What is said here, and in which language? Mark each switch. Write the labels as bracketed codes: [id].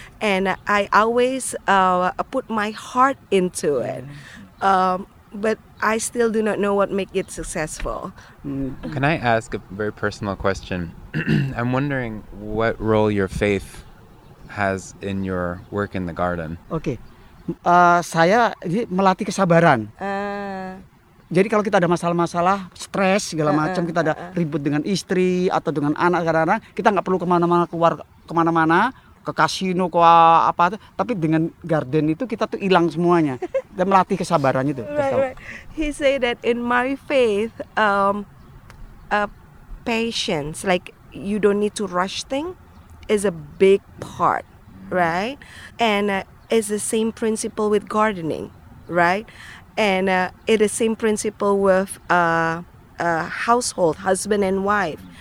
[en] And I always put my heart into it. But I still do not know what make it successful. Can I ask a very personal question? I'm wondering what role your faith has in your work in the garden. [id] Okay. Saya melatih kesabaran. Jadi kalau kita ada masalah-masalah, stres segala macam, kita ada ribut dengan istri atau dengan anak, kadang-kadang kita nggak perlu kemana-mana, keluar kemana-mana, ke kasino, ke apa, tapi dengan garden itu kita tuh hilang semuanya dan melatih kesabarannya tuh. [en] He say that in my faith, patience, you don't need to rush thing, is a big part, right? And it's the same principle with gardening, right? And it is same principle with household, husband and wife.